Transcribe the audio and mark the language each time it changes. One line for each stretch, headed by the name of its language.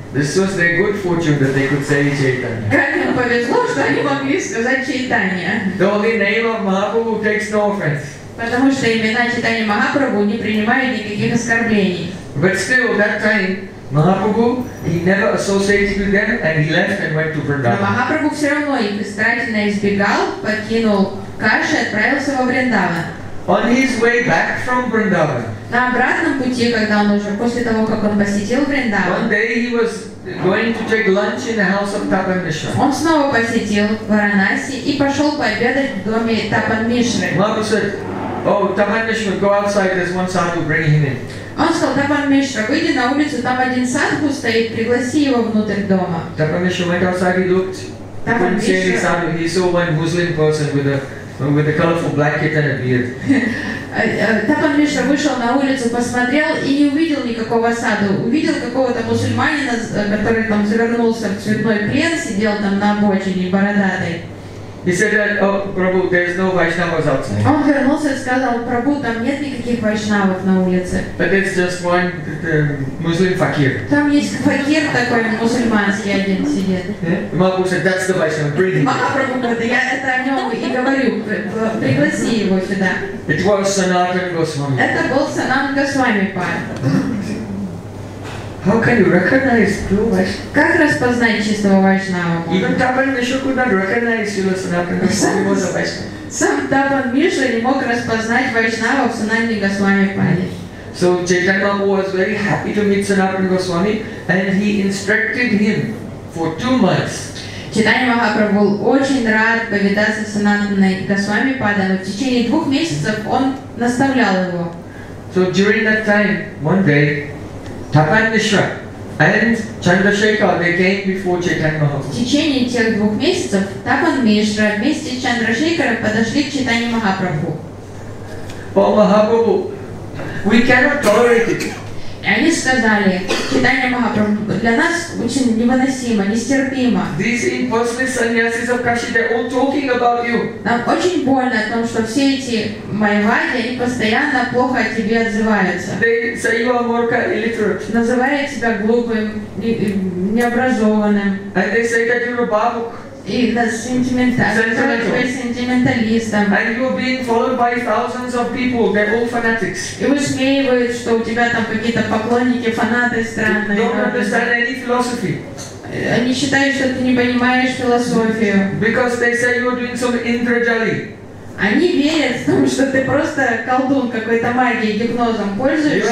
English: This was their good fortune that they could say Чайтанья.
Russian: Как им повезло, что они могли сказать Чайтанья.
English: The only name of Махапрабху takes no offense.
Russian: Потому что имена Чайтанья Махапрабху не принимают никаких оскорблений.
English: But still, that time, Махапрабху, he never associated with them, and he left and went to Вриндаван.
Russian: Махапрабху все равно их старательно избегал, покинул Каши, отправился во Вриндаван.
English: On his way back from Vrindavan.
Russian: На обратном пути, когда он уже после того, как он посетил Вриндаван.
English: One day he was going to take lunch in the house of Tapan Mishra.
Russian: Он снова посетил Варанаси и пошел пообедать в доме Тапан Мишры.
English: Mahaprabhu said, "Oh, Tapan Mishra, go outside. There's one sadhu. Bring him in."
Russian: Он сказал, Тапан Мишра, выйди на улицу, там один садху стоит, пригласи его внутрь дома.
English: Tapan Mishra went outside. He looked. Tapan Mishra. He couldn't see any sadhu. He saw one Muslim person with a colorful blanket and a beard.
Russian: Тапан Мишра вышел на улицу, посмотрел и не увидел никакого саду. Увидел какого-то мусульманина, который там завернулся в цветной плен, сидел там на обочине бородатый.
English: He said, "Oh, Prabhu, there's no Vaishnavas outside."
Russian: Он вернулся и сказал, Прабху, там нет никаких вайшнавов на улице.
English: But it's just one Muslim fakir.
Russian: Там есть факир такой мусульманский один сидит.
English: Yeah? Mahaprabhu said, "That's the Vaishnava. Bring him."
Russian: Махапрабху говорит, я это о нем и говорю, пригласи его сюда.
English: It was Sanatan Goswami.
Russian: Это был Санатан Госвами пар.
English: How can you recognize true Vaishnava?
Russian: Как распознать чистого вайшнава?
English: Even Tapan Mishra could not recognize you as Sanatan Goswami was a Vaishnava.
Russian: Сам Тапан Мишра не мог распознать вайшнава в Санатане Госвами Пади.
English: So Chaitanya Mahaprabhu was very happy to meet Sanatan Goswami, and he instructed him for 2 months.
Russian: Chaitanya Mahaprabhu был очень рад повидаться с Санатаной Госвами Пади, но в течение 2 месяцев он наставлял его.
English: So during that time, one day, Tapan Mishra and Chandrasekhar, they came before Chaitanya Mahaprabhu.
Russian: В течение тех 2 месяцев Тапан Мишра вместе с Чандрашейкаром подошли к Чайтанье Махапрабху.
English: Oh, Mahaprabhu, we cannot tolerate it.
Russian: И они сказали, Чайтанье Махапрабху, для нас очень невыносимо, нестерпимо.
English: These impersonal sannyasis of Kashi, they're all talking about you.
Russian: Нам очень больно о том, что все эти майвади, они постоянно плохо о тебе отзываются.
English: They say you are more illiterate.
Russian: Называют тебя глупым, необразованным.
English: And they say that you're a babuk.
Russian: И сентименталистом.
English: And you're being followed by thousands of people. They're all fanatics.
Russian: И высмеивают, что у тебя там какие-то поклонники, фанаты странные.
English: You don't understand any philosophy.
Russian: Они считают, что ты не понимаешь философию.
English: Because they say you're doing some Indrajali.
Russian: Они верят в том, что ты просто колдун какой-то магией, гипнозом пользуешься.